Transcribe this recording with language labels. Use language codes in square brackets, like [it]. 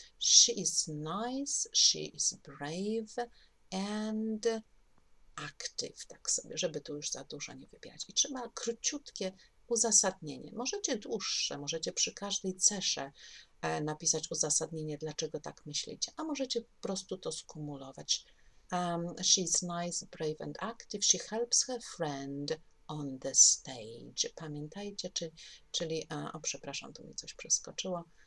[en] She is nice, she is brave and active, [pl] tak sobie, żeby tu już za dużo nie wybierać. I trzeba króciutkie uzasadnienie. Możecie dłuższe, możecie przy każdej cesze napisać uzasadnienie, dlaczego tak myślicie, a możecie po prostu to skumulować. [en] She is nice, brave and active, she helps her friend on the stage. [pl] Pamiętajcie, czyli przepraszam, tu mi coś przeskoczyło.